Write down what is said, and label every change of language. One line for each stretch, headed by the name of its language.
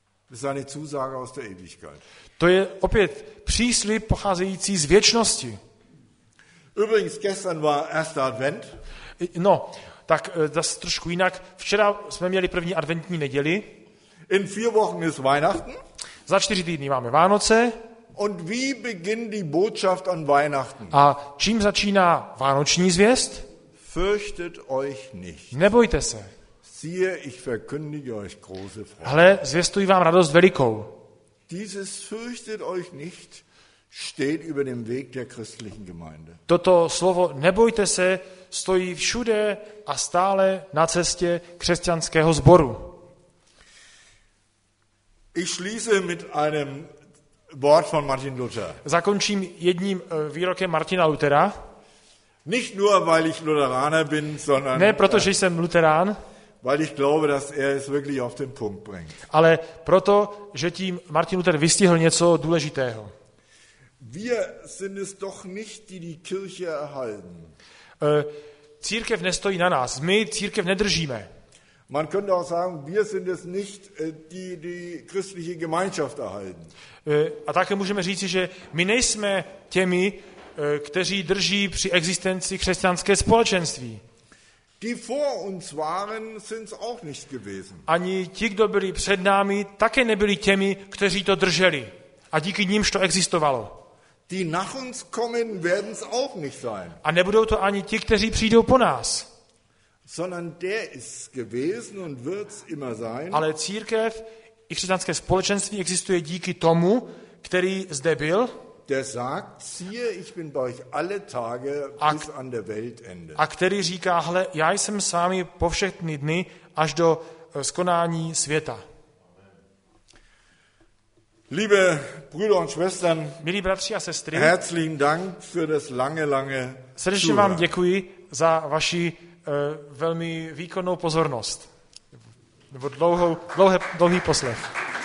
German: Das ist eine Zusage aus der Ewigkeit.
Czech: To je opět příslib pocházející z věčnosti.
German: Übrigens, gestern war erster Advent.
Czech: No, tak das trošku jinak. Včera jsme měli první adventní neděli.
German: In vier Wochen ist Weihnachten.
Czech: Za čtyři týdny máme Vánoce.
German: Und wie beginnt die Botschaft an Weihnachten?
Czech: A čím začíná vánoční zvěst?
German: Fürchtet euch nicht.
Czech: Nebojte se.
German: Siehe, ich verkündige euch große Freude.
Czech: Hle, zvěstuji vám radost velikou.
German: Dieses fürchtet euch nicht steht über dem Weg der christlichen Gemeinde.
Czech: Toto slovo nebojte se stojí všude a stále na cestě křesťanského sboru.
German: Ich schließe mit einem Wort von Martin Luther.
Czech: Zakončím jedním výrokem Martina Luthera.
German: Nicht nur weil ich Lutheraner bin, sondern
Czech: ne, protože jsem luterán.
German: Weil ich glaube, dass er es wirklich auf den Punkt bringt.
Czech: Ale proto, že tím Martin Luther vystihl něco důležitého.
German: Wir sind es doch nicht, die die Kirche erhalten.
Czech: Církev nestojí na nás. My církev nedržíme.
German: Man könnte auch sagen, wir sind es nicht, die die christliche Gemeinschaft erhalten.
Czech: A také můžeme říci, že my nejsme těmi, kteří drží při existenci křesťanské společenství.
German: Die vor uns waren, sind's auch nicht gewesen.
Czech: Ani ti, kdo byli před námi, také nebyli těmi, kteří to drželi. A díky ním, že to existovalo.
German: Die nach uns kommen, werden's auch nicht sein.
Czech: A nebudou to ani ti, kteří přijdou po nás.
German: Sondern der ist gewesen und wird's immer sein.
Czech: Ale církev i křesťanské společenství existuje díky tomu, který zde byl.
German: Der sagt, siehe, ich bin bei euch alle Tage bis an der Weltende.
Czech: A který říká, hle, já jsem s vámi po všechny dny až do skonání světa.
German: Liebe Brüder und Schwestern,
Czech: milí bratři a sestry,
German: herzlichen Dank für das lange, lange Zuhören.
Czech: Srdečně vám děkuji za vaši velmi výkonnou pozornost. Nebo dlouhý poslech.